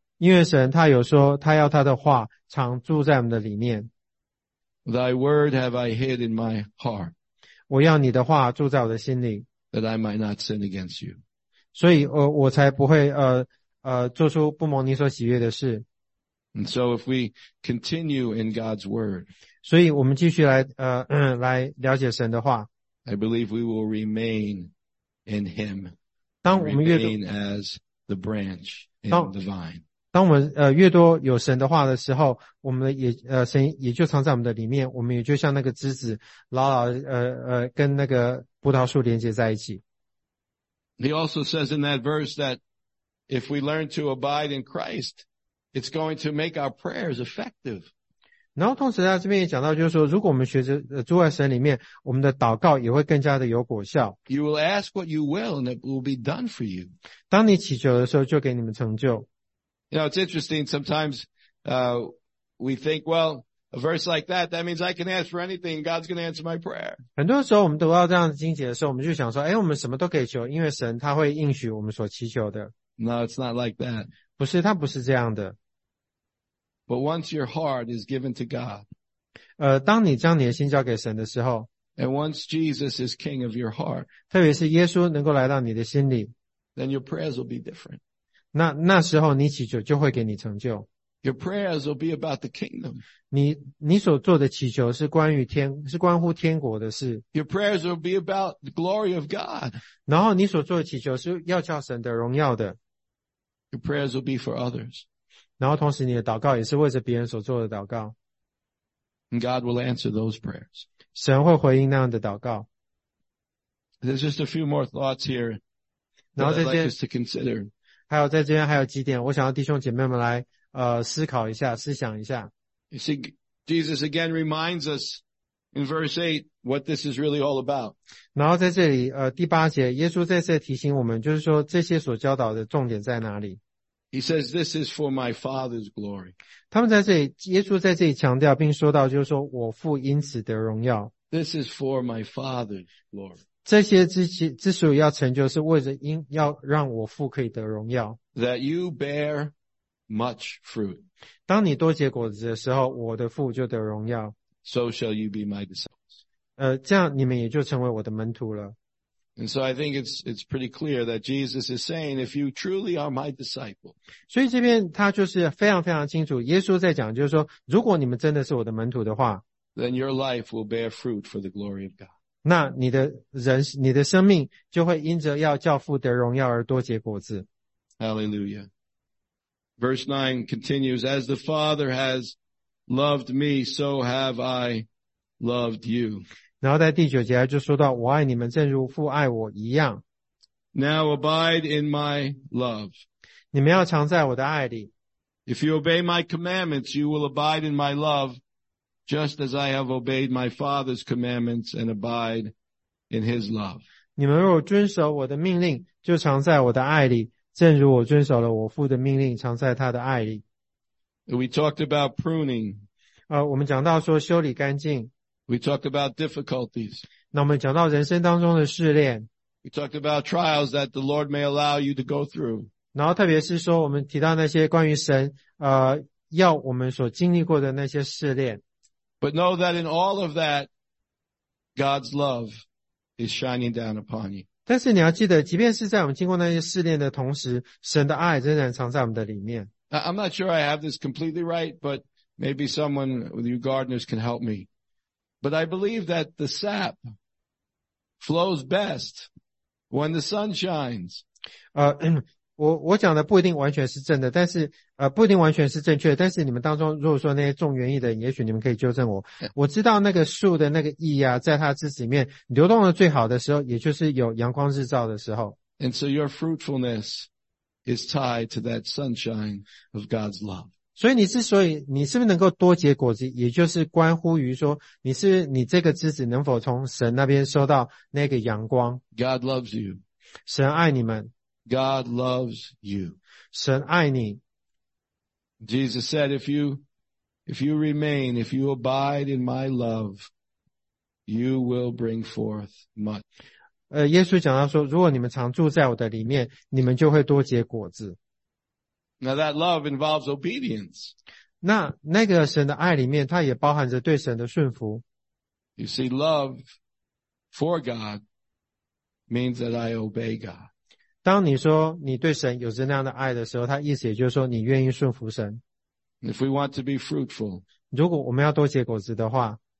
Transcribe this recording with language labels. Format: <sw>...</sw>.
<zh>因为神他有说他要他的话常住在我们的里面。</zh> <en>Thy word have I hid in my heart.</en> <zh>我要你的话住在我的心里。</zh> <en>That I might not sin against you.</en> <zh>所以我才不会做出不蒙你所喜悦的事。</zh> <en>And so if we continue in God's word.</en> <zh>所以我们继续来了解神的话。</zh> <en>I believe we will remain in him.</en> <zh>当我们越读</zh> <en>remain as the branch in the vine.</en> <zh>当我们越多有神的话的时候，我们也神也就藏在我们的里面，我们也就像那个枝子牢牢跟那个葡萄树连接在一起。</zh> <en>He also says in that verse that if we learn to abide in Christ, it's going to make our prayers effective.</en> <zh>然后同时在这边也讲到，就是说如果我们学着住在神里面，我们的祷告也会更加的有果效。</zh> <en>You will ask what you will and it will be done for you.</en> <zh>当你祈求的时候就给你们成就。</zh> <en>You know, it's interesting, sometimes, we think, well, a verse like that, that means I can ask for anything, God's gonna answer my prayer.</en> <zh>很多时候我们读到这样的经节的时候，我们就想说，诶，我们什么都可以求，因为神他会应许我们所祈求的。</zh> <en>No, it's not like that.</en> <zh>不是，他不是这样的。</zh> <en>But once your heart is given to God,</en> <zh>当你将你的心交给神的时候,</zh> <en>and once Jesus is king of your heart,</en> <zh>特别是耶稣能够来到你的心里,</zh> <en>then your prayers will be different.</en> <zh>那时候你祈求就会给你成就。</zh> <en>Your prayers will be about the kingdom.</en> <zh>你所做的祈求是关于天，是关乎天国的事。</zh> <en>Your prayers will be about the glory of God.</en> <zh>然后你所做的祈求是要叫神的荣耀的。</zh> <en>Your prayers will be for others.</en> <zh>然后同时你的祷告也是为着别人所做的祷告。</zh> <en>And God will answer those prayers.</en> <zh>神会回应那样的祷告。</zh> <en>There's just a few more thoughts here.</en> <zh>然后在这边</zh> <en>like us to consider.</en> <zh>还有在这边还有几点，我想要弟兄姐妹们来思考一下，思想一下。</zh> <en>You see, Jesus again reminds us in verse 8 what this is really all about.</en> <zh>然后在这里第八节耶稣再次提醒我们，就是说这些所教导的重点在哪里。</zh> <en>He says, this is for my Father's glory.</en> <zh>他们在这里，耶稣在这里强调并说到，就是说我父因此得荣耀。</zh> <en>This is for my Father's glory.</en> <zh>这些之所以要成就是为了因要让我父可以得荣耀。</zh> <en>That you bear much fruit.</en> <zh>当你多结果子的时候，我的父就得荣耀。</zh> <en>So shall you be my disciples.</en> <zh>这样你们也就成为我的门徒了。</zh> <en>And so I think it's pretty clear that Jesus is saying, if you truly are my disciple.</en> <zh>所以这边他就是非常非常清楚，耶稣在讲，就是说，如果你们真的是我的门徒的话</zh> <en>，then your life will bear fruit for the glory of God.</en> <zh>那你的生命就会因着要叫父得荣耀而多结果子。</zh> <en>Hallelujah. Verse 9 continues, as the Father has loved me, so have I loved you.</en> <zh>然后在第九节就说到，我爱你们，正如父爱我一样。</zh> <en>Now abide in my love.</en> <zh>你们要常在我的爱里。</zh> <en>If you obey my commandments, you will abide in my love, just as I have obeyed my Father's commandments and abide in his love.</en> <zh>你们若遵守我的命令，就常在我的爱里。正如我遵守了我父的命令，常在他的爱里。</zh> <en>We talked about pruning.</en> <zh>我们讲到说修理干净。</zh> <en>We talked about difficulties.</en> <zh>那我们讲到人生当中的试炼。</zh> <en>We talked about trials that the Lord may allow you to go through.</en> <zh>然后特别是说我们提到那些关于神要我们所经历过的那些试炼。</zh> <en>But know that in all of that, God's love is shining down upon you.</en> <zh>但是你要记得，即便是在我们经过那些试炼的同时，神的爱仍然藏在我们的里面。</zh> <en>I'm not sure I have this completely right, but maybe someone with you gardeners can help me. But I believe that the sap flows best when the sun shines.</en> <zh>我讲的不一定完全是正的，但是不一定完全是正确的。但是你们当中，如果说那些重园艺的人，也许你们可以纠正我。我知道那个树的那个意啊，在它枝子里面流动的最好的时候，也就是有阳光日照的时候。</zh> <en>And so your fruitfulness is tied to that sunshine of God's love.</en> <zh>所以你之所以你是不是能够多结果子，也就是关乎于说你是你这个枝子能否从神那边收到那个阳光。</zh> <en>God loves you.</en> <zh>神爱你们。</zh> <en>God loves you.</en> <zh>神爱你。</zh> <en>Jesus said, if you remain, if you abide in my love, you will bring forth much.</en> <zh>耶稣讲到说，如果你们常住在我的里面，你们就会多结果子。</zh> <en>Now that love involves obedience.</en> <zh>那个神的爱里面，它也包含着对神的顺服。</zh> <en>You see, love for God means that I obey God.</en> <zh>当你说你对神有着那样的爱的时候，他意思也就是说你愿意顺服神。</zh> <en>If we want to be fruitful,</en> <zh>如果我们要多结果子的话，</zh>